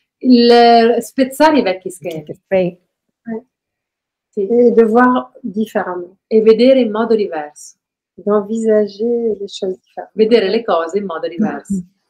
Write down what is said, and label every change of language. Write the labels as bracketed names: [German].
[Italian] Il spezzare i vecchi schemi. [French] E de voir différemment. [Italian] E vedere in modo diverso. [French] D'envisager les choses différemment. [Italian] Vedere le cose in modo diverso.